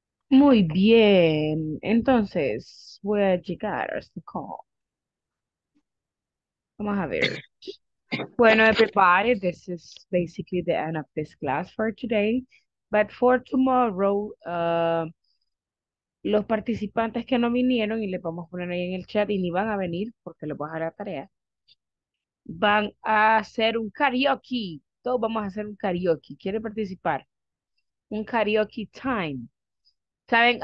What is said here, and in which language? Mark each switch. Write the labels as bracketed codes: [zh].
[es] Muy bien, entonces voy a llegar a este call. Vamos a ver. [en] Bueno, everybody, this is basically the end of this class for today. But for tomorrow, [es] los participantes que no vinieron, y les vamos a poner ahí en el chat, y ni van a venir porque les voy a dar la tarea, van a hacer un karaoke. Todos vamos a hacer un karaoke. ¿Quieren participar? Un karaoke time. ¿Saben?